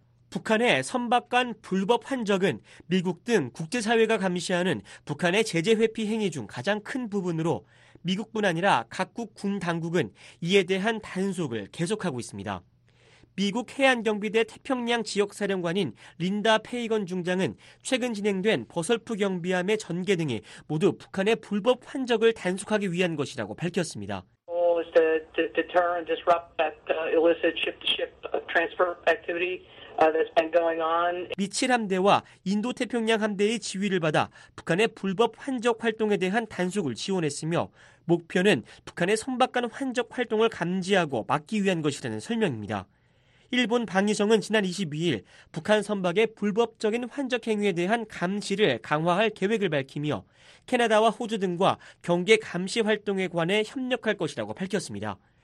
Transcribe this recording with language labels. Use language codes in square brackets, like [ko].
[ko] 북한의 선박간 불법 환적은 미국 등 국제사회가 감시하는 북한의 제재 회피 행위 중 가장 큰 부분으로 미국뿐 아니라 각국 군 당국은 이에 대한 단속을 계속하고 있습니다. 미국 해안경비대 태평양 지역사령관인 린다 페이건 중장은 최근 진행된 버설프 경비함의 전개 등이 모두 북한의 불법 환적을 단속하기 위한 것이라고 밝혔습니다. [en] Deter and disrupt that illicit ship-to-ship transfer activity that's been going on. [ko] 미 7함대와 인도태평양 함대의 지휘를 받아 북한의 불법 환적 활동에 대한 단속을 지원했으며 목표는 북한의 선박간 환적 활동을 감지하고 막기 위한 것이라는 설명입니다. 일본 방위성은 지난 22일 북한 선박의 불법적인 환적 행위에 대한 감시를 강화할 계획을 밝히며 캐나다와 호주 등과 경계 감시 활동에 관해 협력할 것이라고 밝혔습니다.